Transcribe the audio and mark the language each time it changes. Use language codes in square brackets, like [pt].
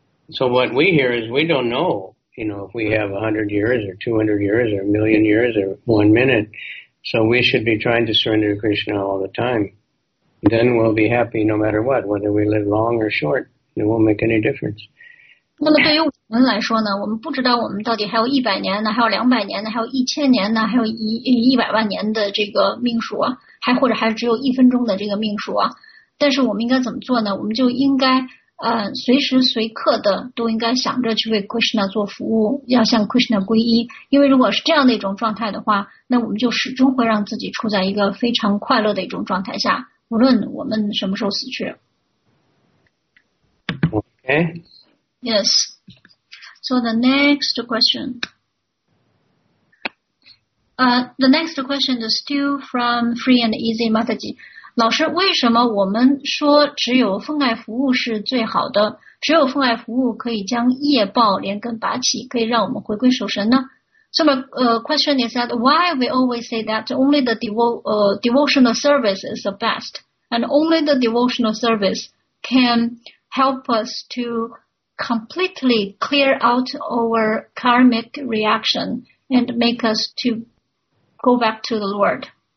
[en] So what we hear is we don't know, if we have 100 years or 200 years or 1 million years or 1 minute. So we should be trying to surrender to Krishna all the time. Then we'll be happy no matter what, whether we live long or short, it won't make any difference. [zh] 那么对于我们来说呢，我们不知道我们到底还有100年呢，还有200年呢，还有1000年呢，还有100万年的这个命数啊，或者还只有1分钟的这个命数啊。但是我们应该怎么做呢？我们就应该随时随刻的都应该想着去为 Krishna 做服务，要向 Krishna 皈依。因为如果是这样的一种状态的话，那我们就始终会让自己处在一个非常快乐的一种状态下，无论我们什么时候死去。 [en] Okay. Yes. So the next question. The next question is still from Free and Easy Mataji. [zh] 老师，为什么我们说只有奉爱服务是最好的？只有奉爱服务可以将业报连根拔起，可以让我们回归守神呢？ [en] So my question is that why we always say that only the devotional service is the best, and only the devotional service can help us to completely clear out our karmic reaction and make us to go back to the Lord.